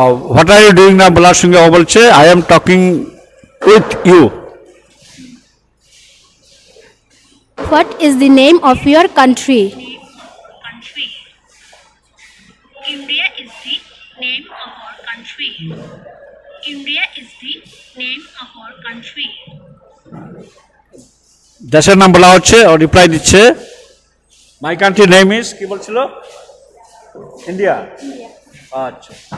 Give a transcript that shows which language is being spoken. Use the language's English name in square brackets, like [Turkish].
[English] what are you doing now [Bangla] বলার সঙ্গে ও বলছে [English] I am talking with you What is the name of your country? India is the name of our country. India is the name of our country. [Bangla] দেশের নাম বলা হচ্ছে ও reply দিচ্ছে [English] my country name is [Bangla] কি বলছিল India আচ্ছা